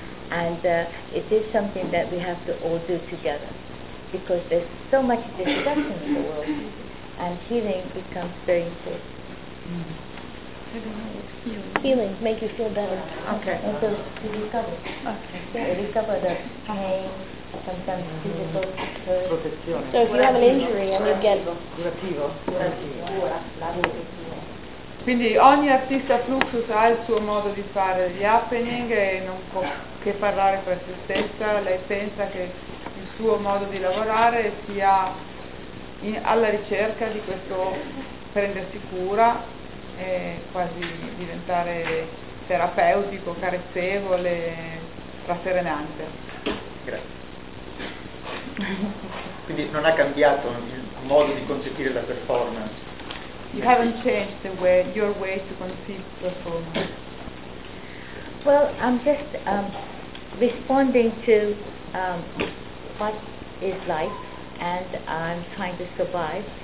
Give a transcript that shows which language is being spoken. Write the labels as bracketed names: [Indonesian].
[English] And it is something that we have to all do together, because there's so much destruction in the world, and healing becomes very important. Mm-hmm. I don't know. Healing make you feel better. Okay. And so you recover. Okay. Yeah, recover the pain, sometimes physical. [Italian] Protezione. [English] So if you have an injury and you get [Italian] curativo. Quindi ogni artista fluxus ha il suo modo di fare gli happening e non può che parlare per se stessa. Lei pensa che il suo modo di lavorare sia alla ricerca di questo prendersi cura e quasi diventare terapeutico, carezzevole, rasserenante. Grazie. Quindi non ha cambiato il modo di concepire la performance? [English] You haven't changed the way, your way to conceive performance. Well, I'm just responding to what is life, and I'm trying to survive.